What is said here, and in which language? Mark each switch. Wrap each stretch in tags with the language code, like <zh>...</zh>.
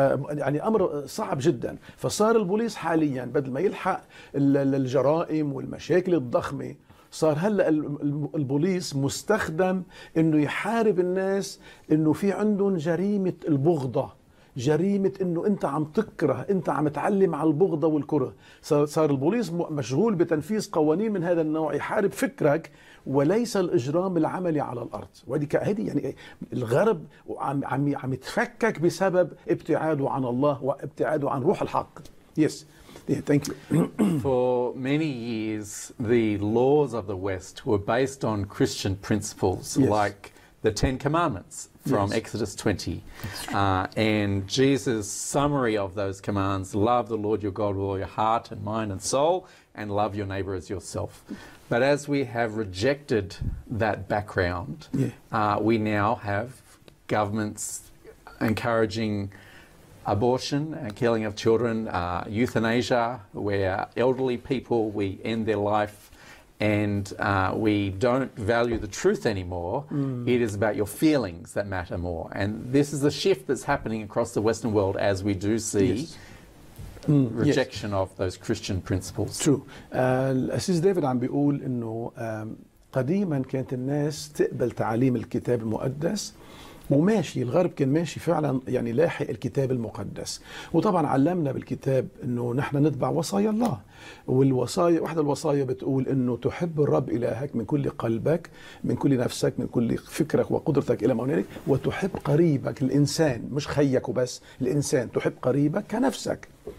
<ar>يعني أمر صعب جدا. فصار البوليس حاليا بدل ما يلحق الجرائم والمشاكل الضخمة، صار هلأ البوليس مستخدم أنه يحارب الناس، أنه في عندهم جريمة البغضة، جريمة أنه أنت عم تكره، أنت عم تعلم على البغضة والكره. صار البوليس مشغول بتنفيذ قوانين من هذا النوع يحارب فكرك وليس الإجرام العملي على الأرض. وهذه يعني الغرب عم يتفكك بسبب ابتعاده عن الله وابتعاده عن روح الحق.</ar> <en>Yes. Yeah, thank you. For many years, the laws of the West were based on Christian principles yes. like the Ten Commandments from yes. Exodus 20. And Jesus' summary of those commands, love the Lord your God with all your heart and mind and soul, and love your neighbor as yourself. But as we have rejected that background, yeah. We now have governments encouraging abortion and killing of children, euthanasia, where elderly people, we end their life and we don't value the truth anymore. Mm. It is about your feelings that matter more. And this is a shift that's happening across the Western world as we do see yes. rejection yes. of those Christian principles. True.</en> <ar>Assis David عم بيقول إنه قديما كانت الناس تقبل تعاليم الكتاب المقدس وماشي، الغرب كان ماشي فعلا يعني لاحق الكتاب المقدس. وطبعا علمنا بالكتاب انه نحن نتبع وصايا الله، والوصايا واحدة الوصايا بتقول انه تحب الرب الهك من كل قلبك من كل نفسك من كل فكرك وقدرتك الى ما هنالك، وتحب قريبك الانسان، مش خيك وبس، الانسان تحب قريبك كنفسك.</ar>